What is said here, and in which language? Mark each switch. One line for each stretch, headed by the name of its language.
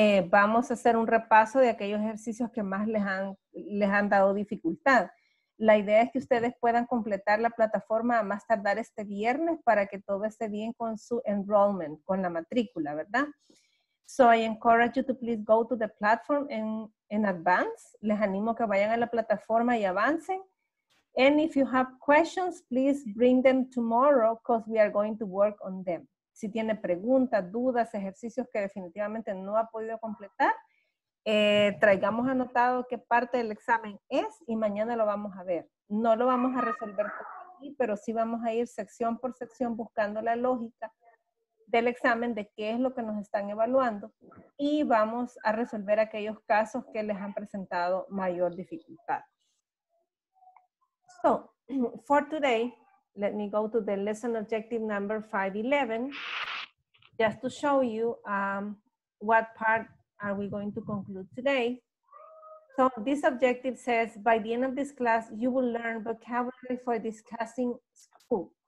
Spanish: Vamos a hacer un repaso de aquellos ejercicios que más les han dado dificultad. La idea es que ustedes puedan completar la plataforma a más tardar este viernes para que todo esté bien con su enrollment, con la matrícula, ¿verdad?
English: So I encourage you to please go to the platform in advance.
Spanish: Les animo que vayan a la plataforma y avancen.
English: And if you have questions, please bring them tomorrow because we are going to work on them.
Spanish: Si tiene preguntas, dudas, ejercicios que definitivamente no ha podido completar, traigamos anotado qué parte del examen es y mañana lo vamos a ver. No lo vamos a resolver todo aquí, pero sí vamos a ir sección por sección buscando la lógica del examen, de qué es lo que nos están evaluando y vamos a resolver aquellos casos que les han presentado mayor dificultad.
English: So, for today, let me go to the lesson objective number 511, just to show you what part are we going to conclude today. So, this objective says, by the end of this class, you will learn vocabulary for discussing school.